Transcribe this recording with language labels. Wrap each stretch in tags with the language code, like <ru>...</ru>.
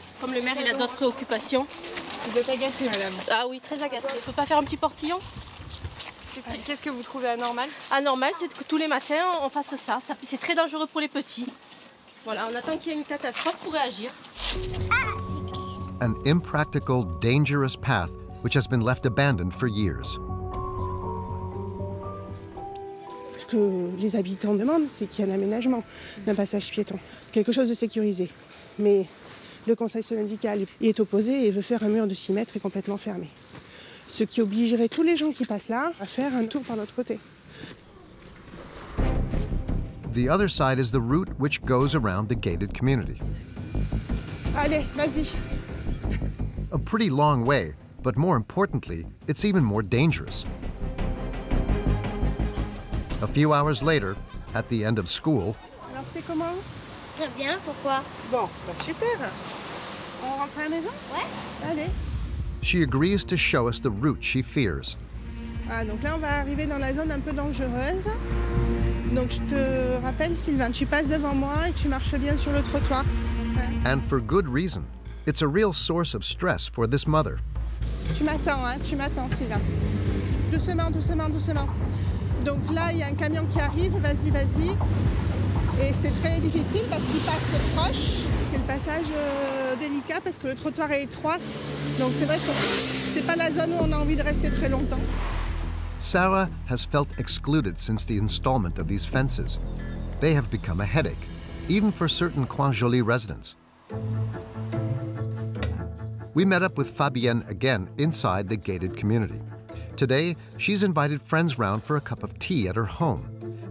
<fr>Comme le maire, il a d'autres préoccupations. Vous êtes agacée, madame. Ah oui, très agacée. Faut pas faire un petit portillon? Qu'est-ce que vous trouvez anormal? Anormal, c'est que tous les matins, on fasse ça. C'est très dangereux pour les petits. Voilà, on attend qu'il y ait une catastrophe pour réagir.</fr> <en>An impractical, dangerous path which has been left abandoned for years.</en> <fr>Ce que les habitants demandent, c'est qu'il y ait un aménagement d'un passage piéton, quelque chose de sécurisé. Mais le conseil syndical y est opposé et veut faire un mur de 6 mètres et complètement fermé. Ce qui obligerait tous les gens qui passent là à faire un tour par l'autre côté.</fr> <en>The other side is the route which goes around the gated community.</en> <fr>Allez, vas-y.</fr> <en>A pretty long way. But more importantly, it's even more dangerous. A few hours later, at the end of school.</en> <fr>Alors, c'est comment? Très bien, pourquoi? Bon, bah super. On rentre à la maison? Ouais. Allez.</fr> <en>She agrees to show us the route she fears.</en> <fr>Ah, donc là, on va arriver dans la zone un peu dangereuse. Donc, je te rappelle, Sylvain, tu passes devant moi et tu marches bien sur le trottoir. Hein?</fr> <en>And for good reason. It's a real source of stress for this mother.</en> <fr>Tu m'attends, hein, tu m'attends, Sylvain. Doucement, doucement, doucement. Donc là, il y a un camion qui arrive, vas-y, vas-y. Et c'est très difficile parce qu'il passe proche. C'est le passage délicat parce que le trottoir est étroit. Donc c'est vrai que c'est pas la zone où on a envie de rester très longtemps.</fr> <en>Sarah has felt excluded since the installment of these fences. They have become a headache, even for certain Coin Joli residents. We met up with Fabienne again inside the gated community. Today, she's invited friends round for a cup of tea at her home.</en>